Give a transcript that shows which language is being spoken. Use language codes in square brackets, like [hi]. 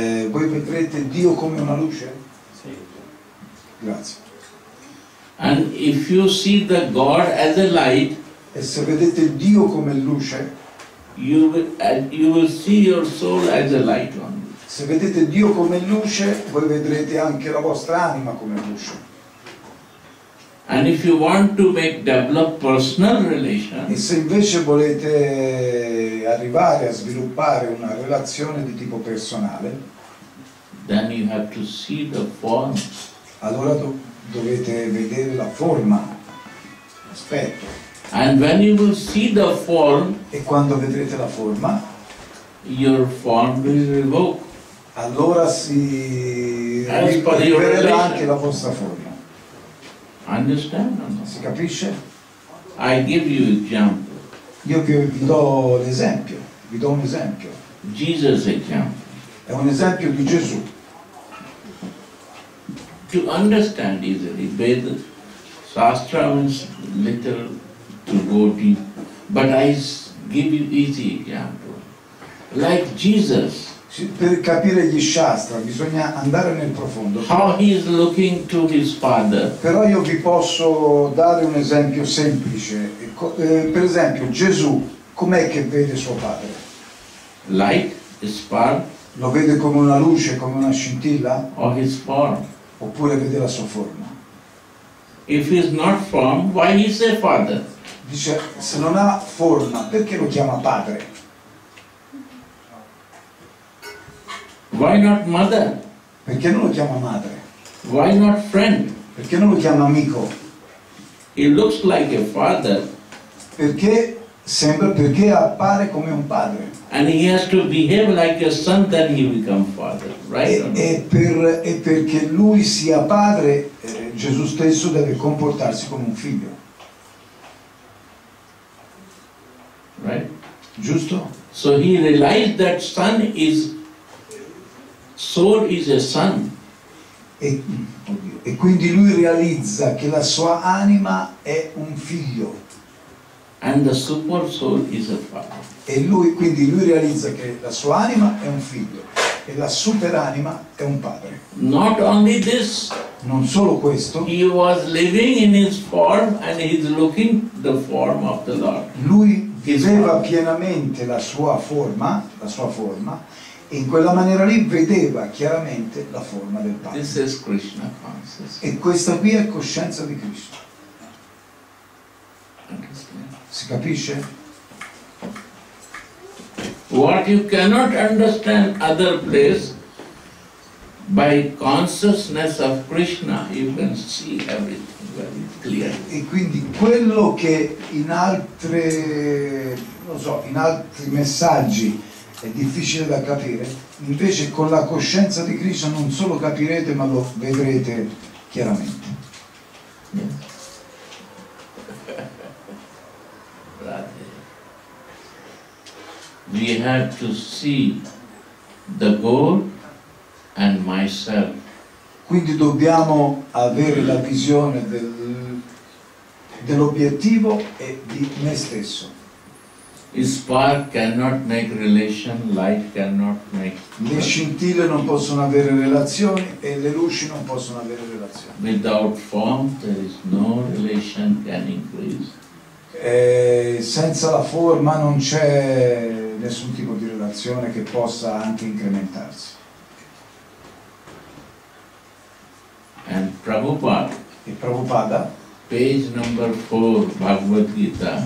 [it] Voi vedrete Dio come una luce? Sì. Grazie. [en] And if you see the God as a light, [it] e se vedete Dio come luce, [en] you will see your soul as a light only. [it] Se vedete Dio come luce, voi vedrete anche la vostra anima come luce. [en] And if you want to make develop personal relation, [it] e se invece volete arrivare a sviluppare una relazione di tipo personale, [en] then you have to see the form. [it] Allora dovete vedere la forma, l'aspetto. [en] And when you will see the form, [it] e quando vedrete la forma, [en] your form will revoke. [it] Allora si rivelerà anche la vostra forma. [en] Understand? [it] Si capisce? [en] I give you example. [it] Io vi do l'esempio. Vi do un esempio. [en] Jesus example. [it] È un esempio di Gesù. [en] To understand easily, Veda, Shastra means little to go deep. But I give you easy example. Like Jesus. [it] Per capire gli shastra bisogna andare nel profondo. [en] How he is looking to his father. [it] Però io vi posso dare un esempio semplice. Per esempio, Gesù, com'è che vede suo padre? [en] Light, a spark. [it] Lo vede come una luce, come una scintilla? [en] Or his form. [it] Oppure vede la sua forma? [en] If he is not form, why he say father? [it] Dice, se non ha forma, perché lo chiama padre? [en] Why not mother? [it] Perché non lo chiama madre? [en] Why not friend? [it] Perché non lo chiama amico? [en] He looks like a father. [it] Perché sembra, perché appare come un padre. [en] And he has to behave like a son, then he become father, right? [it] E perché lui sia padre, Gesù stesso deve comportarsi come un figlio. [en] Right? [it] Giusto? [en] So he realized that son is soul is a son. [it] E quindi lui realizza che la sua anima è un figlio. [en] And the super soul is a father. [it] E lui quindi lui realizza che la sua anima è un figlio e la superanima è un padre. [en] Not only this. [it] Non solo questo. [en] He was living in his form and he is looking the form of the Lord. [it] Lui viveva pienamente la sua forma. In quella maniera lì vedeva chiaramente la forma del Padre. [en] This is Krishna consciousness. [it] E questa qui è coscienza di Cristo. Si capisce? [en] What you cannot understand other place by consciousness of Krishna, you can see everything very clear. [it] E quindi quello che in altre, non so, in altri messaggi è difficile da capire, invece con la coscienza di Krishna non solo capirete ma lo vedrete chiaramente. [en] We have to see the goal and myself. [it] Quindi dobbiamo avere la visione dell'obiettivo e di me stesso. [en] Spark cannot make relation, light cannot make. [it] Le scintille non possono avere relazioni e le luci non possono avere relazioni. [en] Without form, there is no relation can increase. [it] Senza la forma non c'è nessun tipo di relazione che possa anche incrementarsi. [en] And Prabhupada. [it] E Prabhupada. [en] Page number 4, Bhagavad Gita.